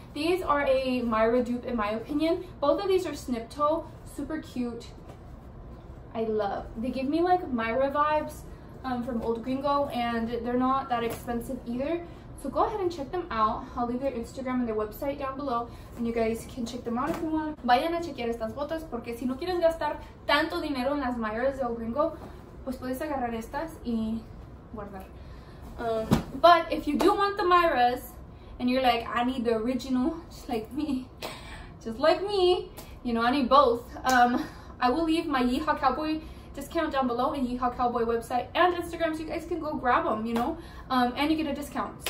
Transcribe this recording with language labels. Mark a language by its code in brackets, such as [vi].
[en] These are a Myra dupe in my opinion. Both of these are snip toe, super cute. I love. They give me like Myra vibes from Old Gringo and they're not that expensive either. So go ahead and check them out. I'll leave their Instagram and their website down below. And you guys can check them out if you want. [es] Vayan a chequear estas botas porque si no quieres gastar tanto dinero en las Myras de Old Gringo, pues puedes agarrar estas y guardar. [en] But if you do want the Myras and you're like, I need the original, just like me, you know, I need both. I will leave my Yeehaw Cowboy discount down below in Yeehaw Cowboy website and Instagram so you guys can go grab them, you know, and you get a discount.